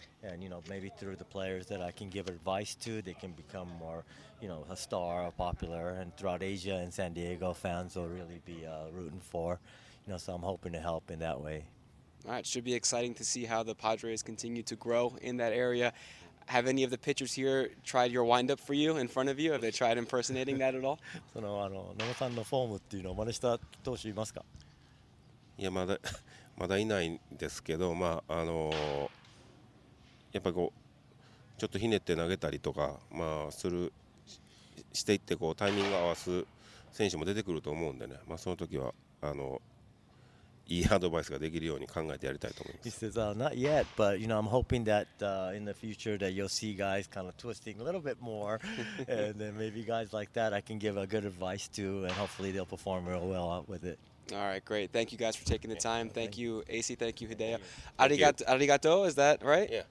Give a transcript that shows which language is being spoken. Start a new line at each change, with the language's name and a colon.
English: And, you know, maybe through the players that I can give advice to, they can become more, you know, a star, a popular, and throughout Asia and San Diego, fans will really be rooting for, you know, so I'm hoping to help in that way. All right, should be exciting to see how the Padres continue to grow in that area. Have any of the pitchers here tried your windup for you in front of you? Have they tried impersonating that at all?
Japanese: その、野茂さんのフォームっていうのを真似した投手いますか？いや、まだいないんですけど、まあやっぱりこう、ちょっとひねって投げたりとか、まあ、する していってこう、タイミングを合わす選手も出てくると思うんでね、まあ、その時は、いいアドバイスができるように考えてやりたいと思います。
English: He says, not yet, but you know, I'm hoping that in the future that you'll see guys kind of twisting a little bit more, and then maybe guys like that I can give a good advice to, and hopefully they'll perform real well with it. All right, great. Thank you guys for taking the time. Thank you, AC. Thank you, Hideo. Arigato, is that right?